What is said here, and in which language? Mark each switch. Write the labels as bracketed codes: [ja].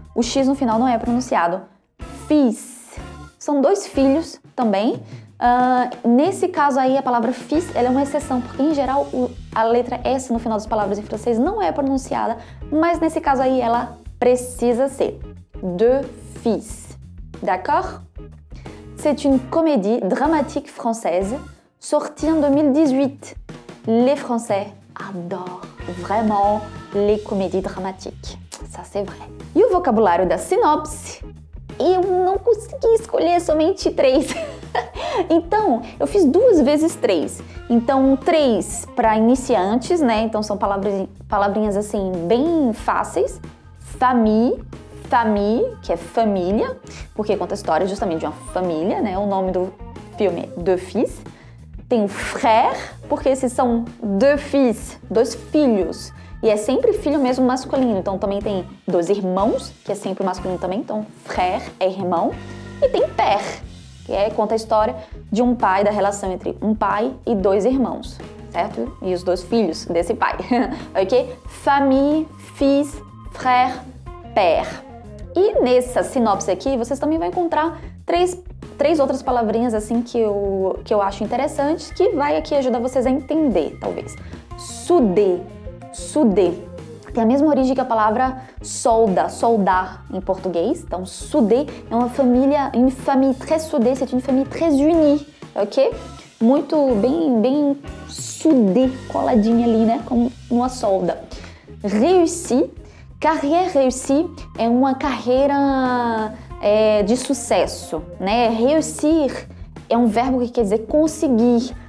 [pt] O X no final não é pronunciado. Fils. São dois filhos também. Nesse caso aí, a palavra fils, ela é uma exceção, porque em geral a letra S no final das palavras em francês não é pronunciada, mas nesse caso aí ela precisa ser. [fr] Deux fils. D'accord? C'est une comédie dramatique française sortie en 2018. Les Français adorent vraiment les comédies dramatiques. Ça, c'est vrai. [pt] E o vocabulário da sinopse? Eu não consegui escolher somente três. Então, eu fiz duas vezes três. Então, três para iniciantes, né? Então, são palavrinhas assim, bem fáceis. Famille. Famille, que é família, porque conta a história justamente de uma família, né? O nome do filme é Deux Fils. Tem o frère, porque esses são [fr] deux fils, [pt] dois filhos. E é sempre filho mesmo masculino, então também tem dois irmãos, que é sempre masculino também, então frère é irmão. E tem père, que é, conta a história de um pai, da relação entre um pai e dois irmãos, certo? E os dois filhos desse pai, ok? [fr] Famille, fils, frère, père. [pt] E nessa sinopse aqui, vocês também vão encontrar três outras palavrinhas assim que eu acho interessante, que vai aqui ajudar vocês a entender, talvez. Soudé. Soudé. Tem a mesma origem que a palavra solda, soldar em português. Então, soudé é uma família, [fr] une famille très soudée, c'est une famille très unie, ok? [pt] Muito bem soudé, coladinha ali, né? Como uma solda. Réussi. [fr] Carrière réussie [pt] é uma carreira de sucesso, né? Réussir é um verbo que quer dizer conseguir.